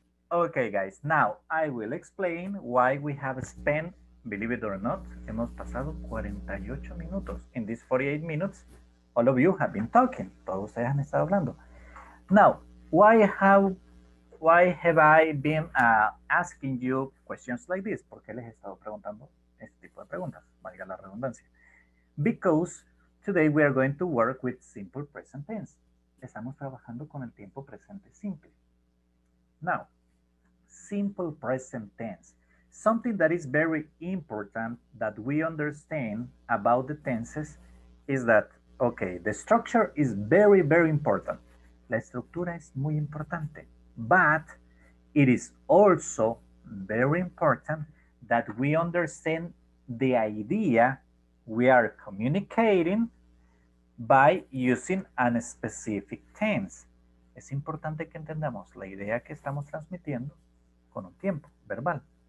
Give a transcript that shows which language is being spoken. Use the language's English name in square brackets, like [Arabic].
[English] Okay, guys, now I will explain why we have spent, believe it or not, [Spanish] hemos pasado 48 minutos. [English] In these 48 minutes, all of you have been talking. [Spanish] Todos ustedes han estado hablando. [English] Now, why have I been asking you questions like this? [Spanish] ¿Por qué les he estado preguntando este tipo de preguntas? Valga la redundancia. [English] Because today we are going to work with simple present tense. [Spanish] Estamos trabajando con el tiempo presente simple. [English] Now, simple present tense. Something that is very important that we understand about the tenses is that, okay, the structure is very, very important. [Spanish] La estructura es muy importante. [English] But it is also very important that we understand the idea we are communicating by using a specific tense. [Spanish] Es importante que entendamos la idea que estamos transmitiendo con un tiempo verbal.